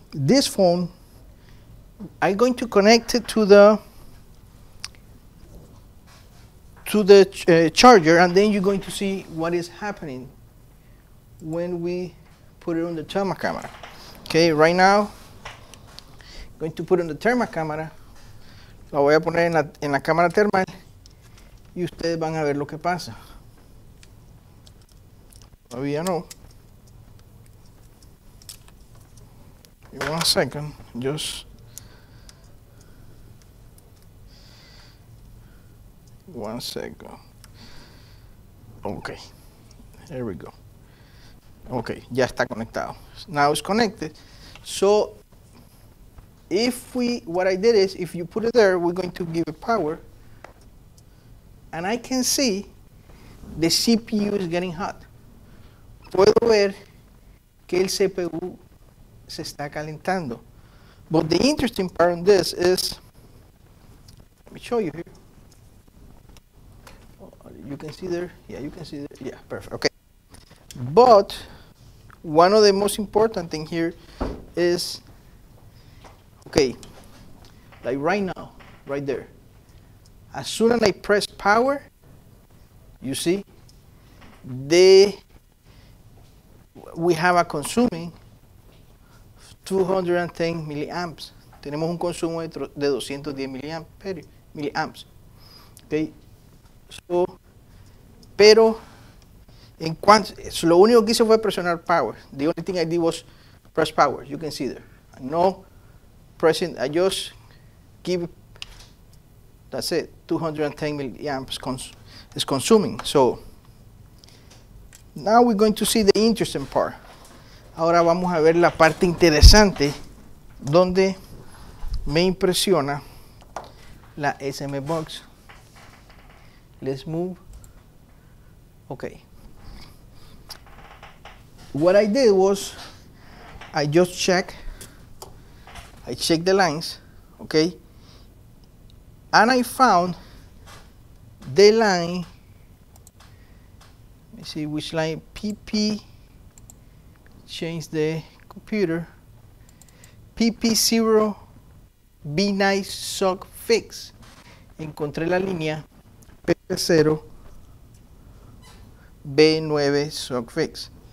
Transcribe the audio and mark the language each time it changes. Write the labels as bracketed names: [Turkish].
[English] This phone, I'm going to connect it to the charger, and then you're going to see what is happening when we put it on the thermal camera. Okay. Right now. Going to put in the thermal camera. [Spanish] La voy a poner en la cámara termal y ustedes van a ver lo que pasa. Todavía no. [English] Give me 1 second. Just one second. Okay. There we go. Okay. [Spanish] Ya está conectado. [English] Now it's connected. So. What I did is, if you put it there, we're going to give it power. And I can see the CPU is getting hot. [Spanish] Puedo ver que el CPU se está calentando. [English] But the interesting part on this is, let me show you here. You can see there. Yeah, you can see there. Yeah, perfect. Okay. But one of the most important thing here is, okay, like right now, right there. As soon as I press power, you see, we have a consuming 210 milliamps. [Spanish] Tenemos un consumo de 210 milliamps. Okay, so, pero, en cuanto, so lo único que hice fue presionar power. [English] The only thing I did was press power. You can see there. No. Pressing, I just give, that's it, 210 milliamps is consuming. So, now we're going to see the interesting part. [Spanish] Ahora vamos a ver la parte interesante donde me impresiona la SM Box. [English] Let's move. Okay. What I did was, I just checked. I checked the lines, okay, and I found the line, let me see which line, PP, change the computer, PP0, be nice, suck, fix, [Spanish] encontré la línea, [English] PP0, B9, suck, fix.